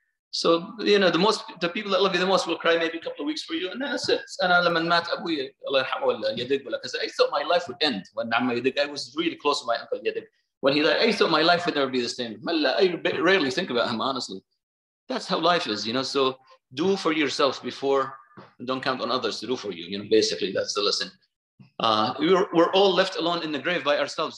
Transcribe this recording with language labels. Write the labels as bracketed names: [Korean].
[English] So you know, the people that love you the most will cry maybe a couple of weeks for you, and that's it. [Arabic] أنا لما مات أبوي الله يرحمه ولا يدق ولا كذا, [English] I thought my life would end when [Arabic] عمي يدق. [English] I was really close to my uncle يدق. When he died, I thought my life would never be the same. I rarely think about him, honestly. That's how life is, you know. So do for yourself before, and don't count on others to do for you. You know, basically that's the lesson. We're all left alone in the grave by ourselves.